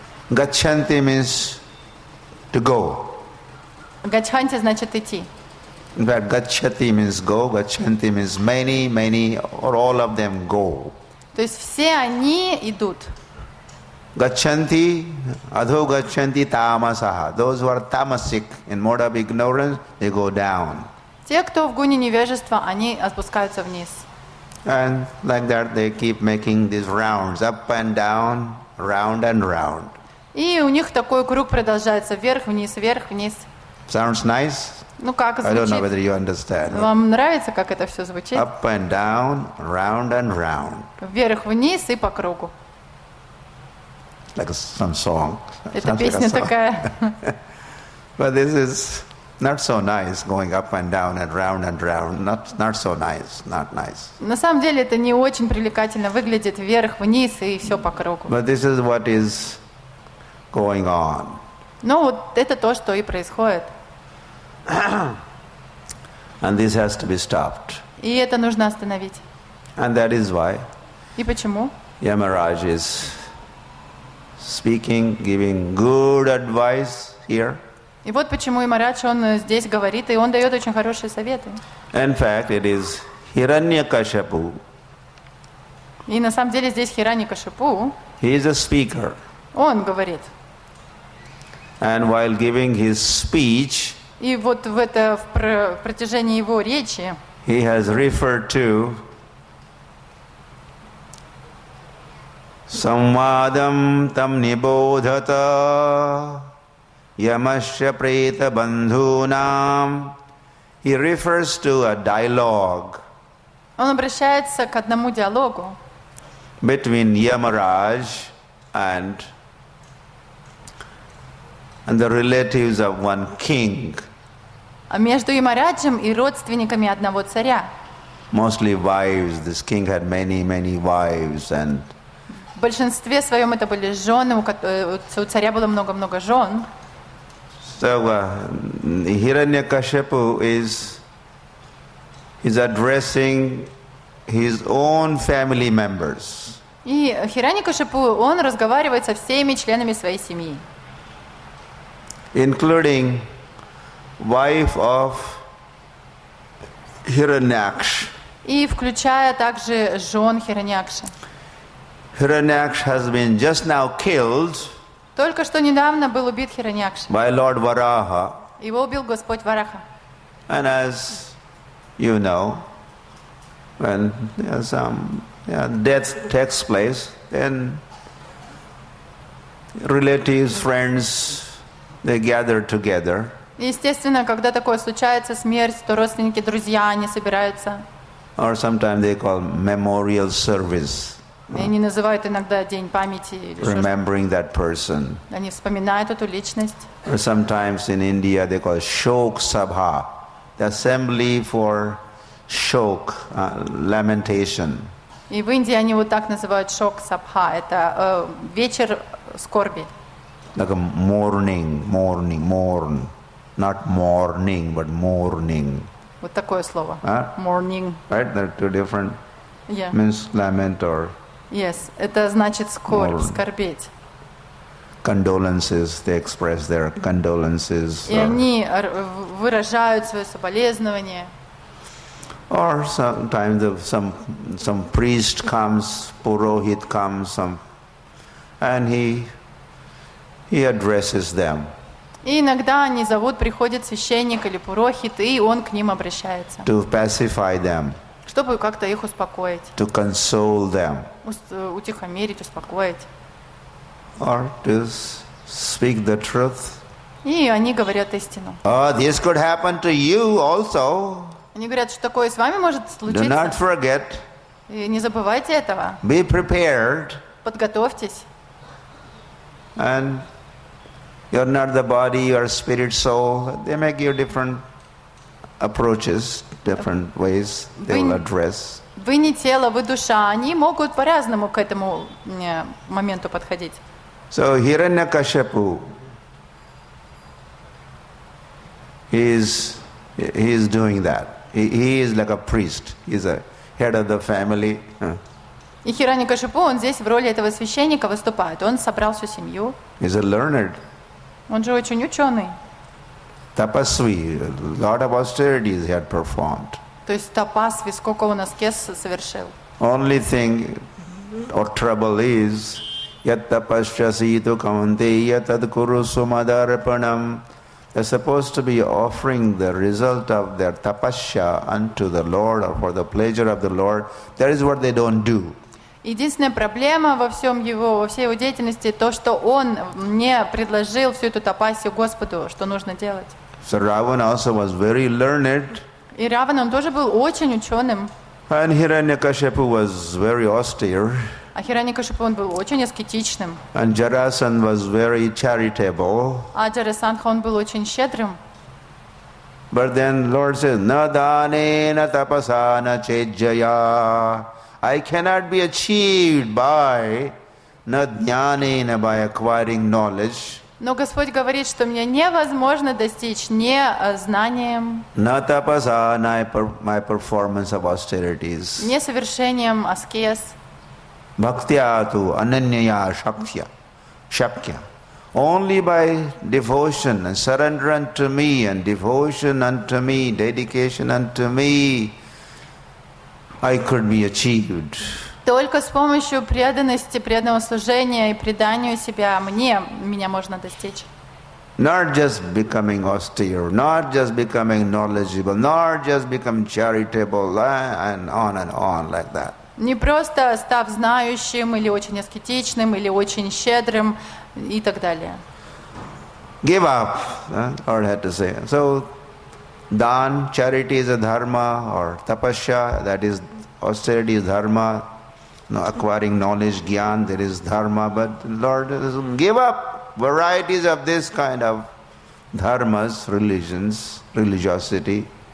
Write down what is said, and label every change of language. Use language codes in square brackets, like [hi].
[en] Gacchanti means to go. [ru] Gacchanti значит идти. [en] But gacchati means go. Gacchanti means many, many, or all of them go. [ru] То есть все они идут. [sa] Gacchanti, adho gacchanti tamasaha. [en] Those who are tamasic in mode of ignorance, they go down. [ru] Те, кто в гуне невежества, они спускаются вниз. [en] And like that, they keep making these rounds, up and down, round and round. [ru] И у них такой круг продолжается вверх, вниз, вверх, вниз. [en] Sounds nice. [ru] Ну как звучит? [en] I don't know whether you understand. [ru] Вам нравится, как это все звучит? [en] Up and down, round and round. [ru] Вверх, вниз и по кругу. [en] Like some song. [ru] Это песня такая. [en] But this is not so nice, going up and round, not so nice, not nice. [ru] На самом деле это не очень привлекательно выглядит, вверх, вниз и все по кругу. [en] But this is what is going on. [ru] Но вот это то, что и происходит. [en] And this has to be stopped. [ru] И это нужно остановить. [en] And that is why. [ru] И почему? [en] Yamaraj is speaking, giving good advice here. [ru] И вот почему Ямарадж, он здесь говорит, и он дает очень хорошие советы. [en] In fact, it is Hiranyakashipu [ru] И на самом деле здесь Хиранья-Кашипу. [en] He is a speaker. [ru] Он говорит. [en] And while giving his speech, [ru] и вот в это в протяжении его речи, [en] he has referred to [sa] samvadam tam nibodhata yamasya preta bandhunam. [en] He refers to a dialogue. [ru] Он обращается к одному диалогу. [en] Between Yamaraj and the relatives of one king. [ru] Между Ямараджем и родственниками одного царя. [en] Mostly wives. This king had many, many wives and. [ru] В большинстве своем это были жены, у царя было много-много жен. [en] So Hiranyakashipu is addressing his own family members. [ru] И Хираньякашипу, он разговаривает со всеми членами своей семьи. [en] Including wife of Hiranyaksh. [ru] И включая также жен Хираньякши. [en] Hiranyaksha has been just now killed. [ru] Только что недавно был убит Хираньякша. [en] By Lord Varaha. [ru] Его убил Господь Вараха. [en] And as you know, when death takes place, then relatives, friends, they gather together. [ru] Естественно, когда такое случается, смерть, то родственники, друзья, они собираются. [en] Or sometimes they call memorial service. [ru] Они называют иногда день памяти. [en] Remembering that person. [ru] Они вспоминают эту личность. [en] Or sometimes in India they call Shok Sabha, the assembly for shok, lamentation. [ru] И в Индии они вот так называют Shok Sabha, это вечер скорби. [en] Like a mourning, mourn, not morning, but mourning. [ru] Вот такое слово. Mourning. [en] Right, there are two different. Yeah. Means lament or. Yes, [ru] это значит скорбеть. [en] Condolences, they express their condolences. [ru] И они выражают свое соболезнование. [en] Or sometimes some priest comes, Purohit comes, and he addresses them. [ru] И иногда они зовут, приходит священник или Пурохит, и он к ним обращается. [en] To pacify them. [ru] Чтобы как-то их успокоить. [en] To console them. [ru] Утихомирить, успокоить. [en] Or to speak the truth. [ru] И они говорят истину. [en] This could happen to you also. [ru] Они говорят, что такое с вами может случиться. [en] Do not forget. [ru] И не забывайте этого. [en] Be prepared. [ru] Подготовьтесь. [en] And you're not the body, you're spirit, soul. They may give different approaches, different ways they will address. [ru] Вы не тело, вы душа. Они могут по-разному к этому моменту подходить. [en] So Hiranyakashipu is doing that. He is like a priest. He's a head of the family. [ru] И Хираньякашипу, он здесь в роли этого священника выступает. Он собрал всю семью. [en] He's a learned. [ru] Он же очень ученый. [en] Tapasvi, a lot of austerities he had performed. [ru] То есть тапасви, сколько он аскез совершил. [en] Only thing or trouble is [sa] yat tapasyasitu kamanteya tad kuru sumadarpanam. [en] They're supposed to be offering the result of their tapasya unto the Lord or for the pleasure of the Lord. That is what they don't do. [ru] Единственная проблема во всем его, во всей его деятельности, то, что он мне предложил всю эту тапасию Господу, что нужно делать. [en] So Ravana also was very learned. [ru] И Равана, он тоже был очень ученым. [en] And Hiranyakashipu was very austere. [ru] А Хираньякашипу, он был очень аскетичным. [en] And Jarasandha was very charitable. [ru] А Джарасандха, он был очень щедрым. [en] But then Lord says, [sa] na dane na tapasana chejaya. [en] I cannot be achieved by [sa] na jnane, [en] by acquiring knowledge. [ru] Но Господь говорит, что мне невозможно достичь не знанием, [sa] на тапаса, [en] my performance of austerities, [ru] не совершением аскез. [sa] Бхактиату ананья шакья, шапья. [en] Only by devotion and surrender unto me, and devotion unto me, dedication unto me, I could be achieved. [ru] Только с помощью преданности, преданного служения и преданию себя мне, меня можно достичь. [en] Not just becoming austere, not just becoming knowledgeable, not just becoming charitable, and on like that. [ru] Не просто став знающим или очень аскетичным или очень щедрым и так далее. [en] Give up, Lord had to say. So, dan, charity is a dharma, or tapasya, that is austerity is dharma. No, acquiring knowledge, gyan, there is dharma. But Lord, give up. Varieties of this kind of dharmas, religions, religiosity.